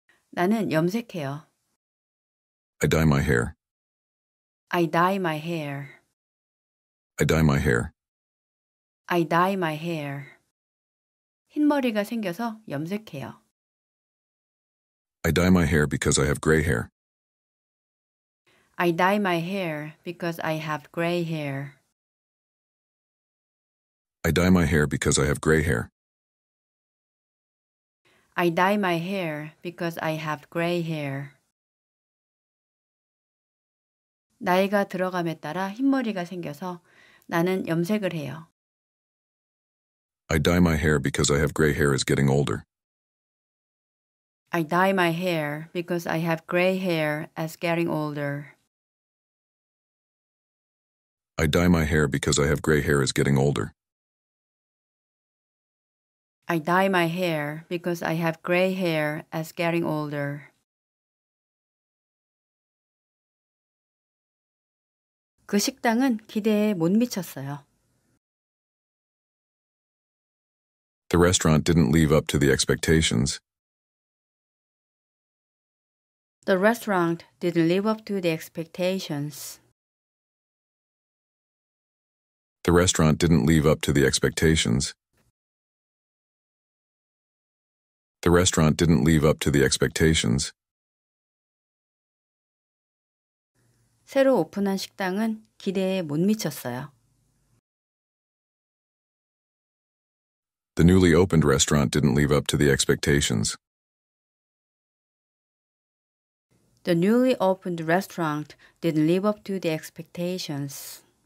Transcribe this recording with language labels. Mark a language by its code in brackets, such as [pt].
[ko] 나는 염색해요. [en] I dye my hair. I dye my hair. I dye my hair. I dye my hair. [ko] 흰머리가 생겨서 염색해요. [en] I dye my hair because I have gray hair. I dye my hair because I have gray hair. I dye my hair because I have gray hair. I dye my hair because I have gray hair. [ko] 나이가 들어감에 따라 흰머리가 생겨서 나는 염색을 해요. [en] I dye my hair because I have gray hair is getting older. I dye my hair because I have gray hair as getting older. I dye my hair because I have gray hair is getting older. I dye my hair because I have gray hair as getting older. [ko] 그 식당은 기대에 못 미쳤어요. [en] The restaurant didn't live up to the expectations. The restaurant didn't live up to the expectations. The restaurant didn't live up to the expectations. The restaurant didn't live up to the expectations. [ko] 새로 오픈한 식당은 기대에 못 미쳤어요. [en] The newly opened restaurant didn't live up to the expectations. The newly opened restaurant didn't live up to the expectations.